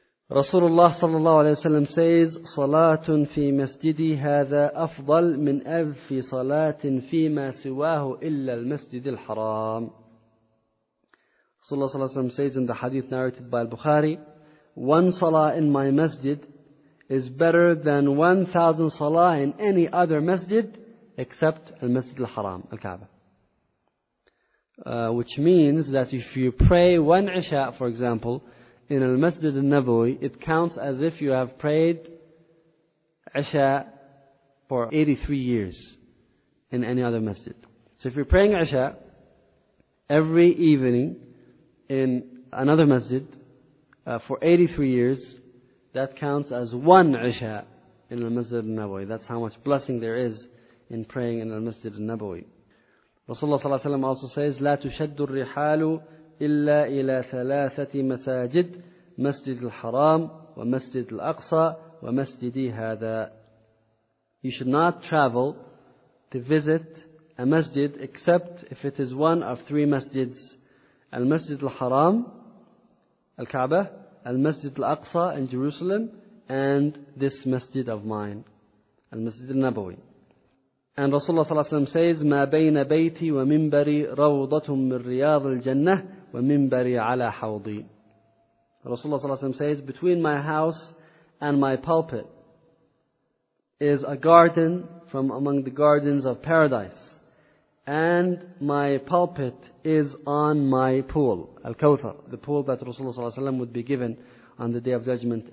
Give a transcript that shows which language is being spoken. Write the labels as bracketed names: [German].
[Arabic] Rasulullah sallallahu alayhi wa sallam says, صَلَاةٌ فِي مَسْجِدِي هَذَا أَفْضَلْ مِنْ أَلْفِ صَلَاةٍ فِي مَا سِوَاهُ إِلَّا الْمَسْجِدِ الْحَرَامِ. [English] Rasulullah sallallahu alayhi wa sallam says in the hadith narrated by Al-Bukhari, one salah in my masjid is better than 1,000 salah in any other masjid except Al-Masjid Al-Haram, Al-Kaaba. Which means that if you pray one Isha, for example, in Al-Masjid Al-Nabawi, it counts as if you have prayed Isha for 83 years in any other masjid. So if you're praying Isha every evening in another masjid for 83 years, that counts as one Isha in Al-Masjid Al-Nabawi. That's how much blessing there is in praying in Al-Masjid Al-Nabawi. [Arabic] Rasulullah sallallahu alayhi wa sallam also says, لَا تُشَدُّ الرِّحَالُ إِلَّا إِلَى ثَلَاثَةِ مَسَاجِدْ مَسْجِدِ الْحَرَامِ وَمَسْجِدِ الْأَقْصَى وَمَسْجِدِ هَذَا. [English] You should not travel to visit a masjid except if it is one of three masjids. Al-Masjid al-Haram, Al-Kaaba, Al-Masjid al-Aqsa in Jerusalem, and this masjid of mine, Al-Masjid al-Nabawi. [Arabic] And Rasulullah صلى الله عليه وسلم says, مَا بَيْنَ بَيْتِي وَمِنْبَرِي رَوْضَةٌ مِنْ رِيَاضِ الْجَنَّةِ وَمِنْبَرِي عَلَى حَوْضِي. [English] Rasulullah صلى الله عليه وسلم says, between my house and my pulpit is a garden from among the gardens of paradise. And my pulpit is on my pool, Al-Kawthar, the pool that Rasulullah صلى الله عليه وسلم would be given on the Day of Judgment.